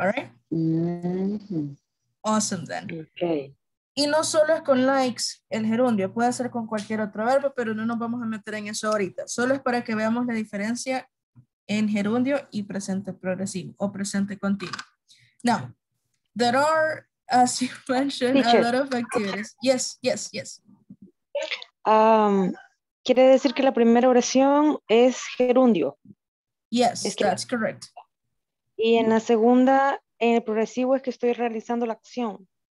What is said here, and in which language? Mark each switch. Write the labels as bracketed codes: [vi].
[en] All right? Mm-hmm. Awesome then. Okay. [es] Y no solo es con likes el gerundio, puede ser con cualquier otro verbo, pero no nos vamos a meter en eso ahorita. Solo es para que veamos la diferencia en gerundio y presente progresivo o presente continuo. [en] Now, there are, as you mentioned, a lot of activities. Yes, yes, yes. [es] ¿Quiere decir que la primera oración es gerundio? [en] Yes, that's correct. [es] Y en la segunda, en el progresivo es que estoy realizando la acción.